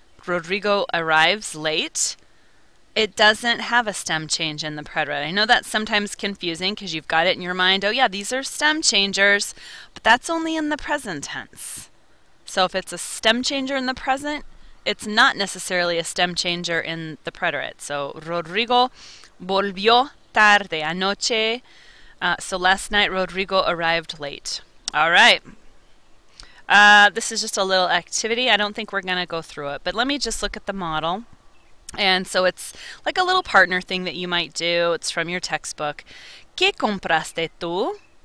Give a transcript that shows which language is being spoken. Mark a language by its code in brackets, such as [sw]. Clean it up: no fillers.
[en] Rodrigo arrives late. It doesn't have a stem change in the preterite. I know that's sometimes confusing because you've got it in your mind. Oh yeah, these are stem changers, but that's only in the present tense. So if it's a stem changer in the present, it's not necessarily a stem changer in the preterite. [es] So Rodrigo volvió tarde anoche. [en] So last night Rodrigo arrived late. All right. This is just a little activity. I don't think we're going to go through it, but let me just look at the model. And so it's like a little partner thing that you might do. It's from your textbook. [es] ¿Qué compraste tú?